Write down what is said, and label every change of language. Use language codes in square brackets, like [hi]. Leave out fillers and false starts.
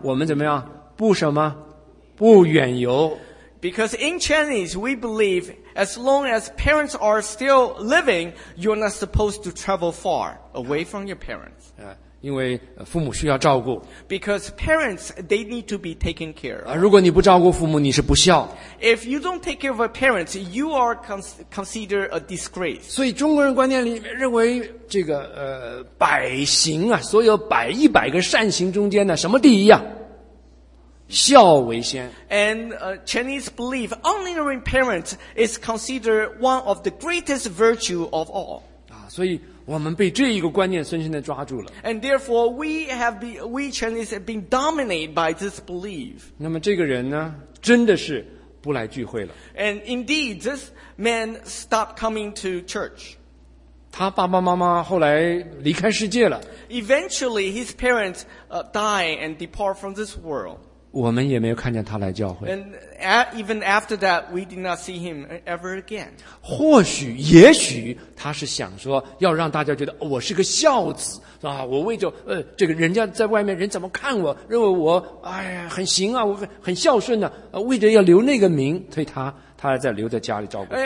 [zh] 我们怎么样？不什么？不远游。 [en] Because in Chinese, we believe as long as parents are still living, you're not supposed to travel far away from your parents. [zh] 啊，因为父母需要照顾。 [en] Because parents, they need to be taken care of. [zh] 啊，如果你不照顾父母，你是不孝。 [en] If you don't take care of your parents, you are considered a disgrace. [zh] 所以中国人观念里面认为这个百行啊，所有百一百个善行中间呢，什么第一啊？孝为先。 [en] And Chinese believe honoring parents is considered one of the greatest virtue of all. [zh] 啊，所以我们被这一个观念深深的抓住了。 [en] And therefore we Chinese have been dominated by this belief. [zh] 那么这个人呢，真的是。不来聚会了。 [en] And indeed, this man stopped coming to church. [zh] 他爸爸妈妈后来离开世界了。 [en] Eventually, his parents die and depart from this world. [zh] 我们也没有看见他来教会。 [en] And even after that, we did not see him ever again. [zh] 或许，也许他是想说，要让大家觉得我是个孝子啊，我为着这个人家在外面人怎么看我，认为我哎呀很行啊，我很孝顺的、啊，为着要留那个名，所以他还在留在家里照顾。